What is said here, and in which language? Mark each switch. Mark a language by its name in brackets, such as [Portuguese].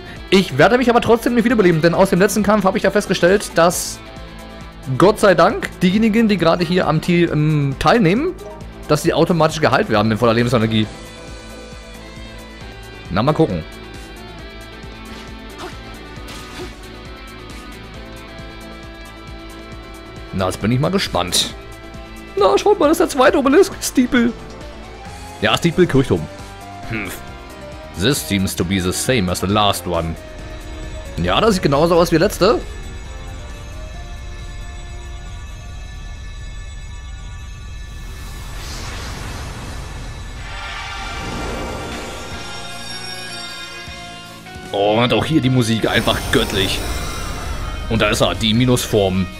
[German] Ich werde mich aber trotzdem nicht wiederbeleben, denn aus dem letzten Kampf habe ich ja festgestellt, dass Gott sei Dank diejenigen, die gerade hier am Team teilnehmen, dass sie automatisch geheilt werden mit voller Lebensenergie. Na, mal gucken. Na, jetzt bin ich mal gespannt. Na, schaut mal, das ist der zweite Obelisk. Stiepel. Ja, Stiepel, Kirchturm. Hm. [English] This seems to be the same as the last one. [German] Ja, das sieht genauso aus wie der letzte. Und auch hier die Musik, einfach göttlich. Und da ist er, die Minusform.